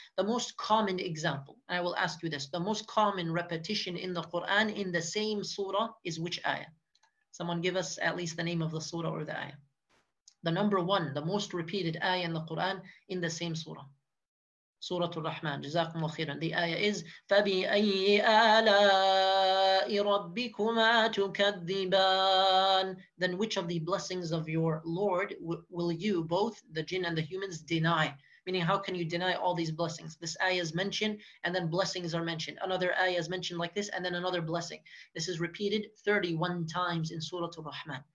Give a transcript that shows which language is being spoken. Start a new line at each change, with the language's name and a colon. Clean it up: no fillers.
English: The most common example, and I will ask you this, the most common repetition in the Quran in the same surah is which ayah? Someone give us at least the name of the surah or the ayah. The number one, the most repeated ayah in the Quran in the same surah. Surah Ar-Rahman,
Arabic: Jazakum Khairan.
English: The ayah is,
Arabic: فَبِأَيِّ آلَاءِ رَبِّكُمَا تُكَذِّبَانِ.
English: Then which of the blessings of your Lord will you, both the jinn and the humans, deny? Meaning, how can you deny all these blessings? This ayah is mentioned, and then blessings are mentioned. Another ayah is mentioned like this, and then another blessing. This is repeated 31 times in Surah Ar-Rahman.